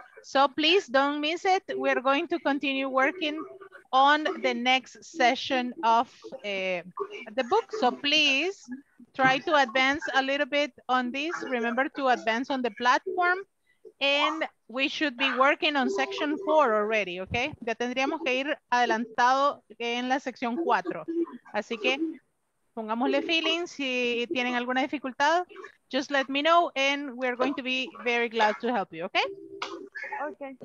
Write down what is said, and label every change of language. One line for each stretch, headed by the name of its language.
English: So please don't miss it. We're going to continue working on the next session of the book. So please try to advance a little bit on this. Remember to advance on the platform. And we should be working on section 4 already, okay?
Spanish: Ya tendríamos que ir adelantado en la sección 4. Así que pongámosle feeling. Si tienen alguna dificultad,
English: just let me know and we're going to be very glad to help you, okay?